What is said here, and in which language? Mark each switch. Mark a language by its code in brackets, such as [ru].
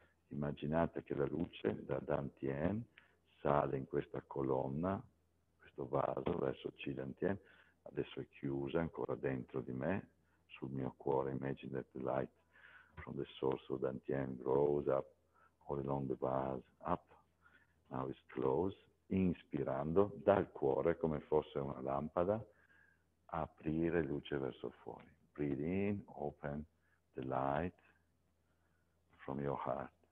[it] Immaginate che la luce da d'antenna sale in questa colonna, questo vaso verso C d'antenna. Adesso è chiusa ancora dentro di me, sul mio cuore. [en] Imagine that the light from the source of Dantian grows up all along the vase, up. Now it's closed. [it] Inspirando dal cuore, come fosse una lampada, aprire luce verso fuori. [en] Breathe in, open the light from your heart.